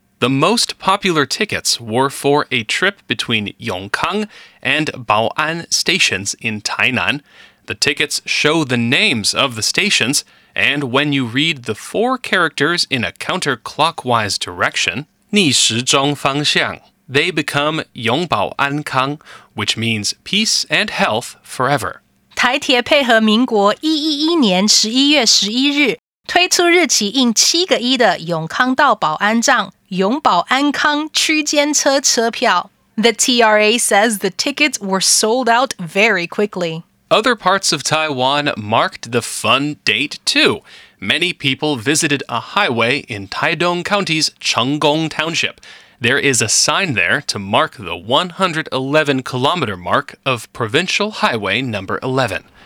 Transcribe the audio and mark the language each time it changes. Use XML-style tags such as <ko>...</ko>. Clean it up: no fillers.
<en>The most popular tickets were for a trip between Yongkang and Bao'an stations in Tainan. The tickets show the names of the stations, and when you read the four characters in a counterclockwise direction,</en> <zh>逆时钟方向,</zh> <en>they become Yongbao'ankang, which means peace and health forever.</en> <zh>台铁配合民国111年11月11日推出日期印七个一的永康到保安站永保安康区间车车票。</zh> <en>The TRA says the tickets were sold out very quickly. Other parts of Taiwan marked the fun date too. Many people visited a highway in Taidong County's Chenggong Township. There is a sign there to mark the 111-kilometer mark of Provincial Highway No. 11.</en>